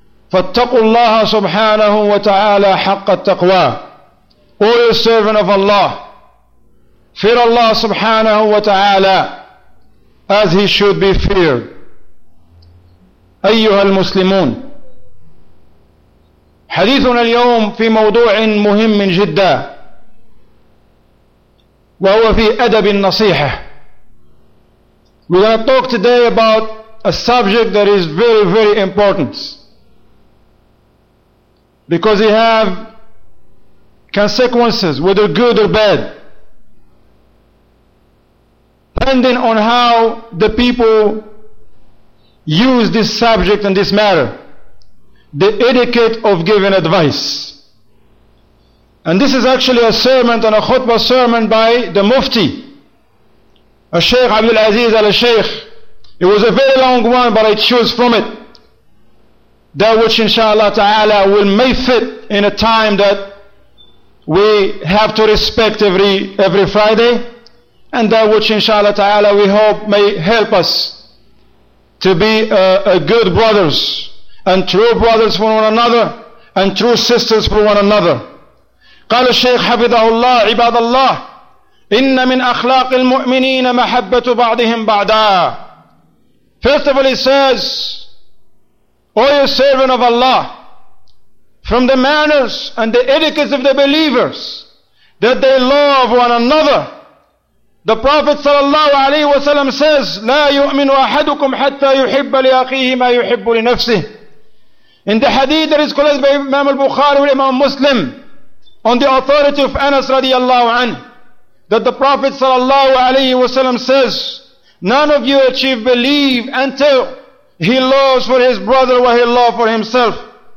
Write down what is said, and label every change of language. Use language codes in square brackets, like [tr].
[ar] فاتقوا الله سبحانه وتعالى حق التقوى [en] All you servant of Allah fear Allah [ar] سبحانه وتعالى [en] as he should be feared [ar] أيها المسلمون حديثنا اليوم في موضوع مهم جدا وهو في أدب النصيحة. [en] We're going to talk today about a subject that is very, very important because it have consequences, whether good or bad, depending on how the people use this subject and this matter, the etiquette of giving advice. And this is actually a sermon and a khutbah sermon by the Mufti. [ar] الشيخ عبد العزيز على الشيخ. [en] It was a very long one, but I choose from it that which inshallah ta'ala will may fit in a time that we have to respect every Friday, and that which inshallah ta'ala we hope may help us to be a good brothers and true brothers for one another and true sisters for one another. [ar] قال الشيخ حفظه الله عباد الله إن من أخلاق المؤمنين محبة بعضهم بعضا. [en] First of all, he says, O you servant of Allah, from the manners and the etiquette of the believers, that they love one another. The Prophet sallallahu alaihi wasallam says, [ar] لا يؤمن أحدكم حتى يحب لأخيه ما يحب لنفسه. [en] In the hadith that is collected by Imam al-Bukhari and Imam Muslim, on the authority of Anas radiallahu anhu, that the Prophet sallallahu alaihi wasallam says, none of you achieve belief until he loves for his brother what he loves for himself.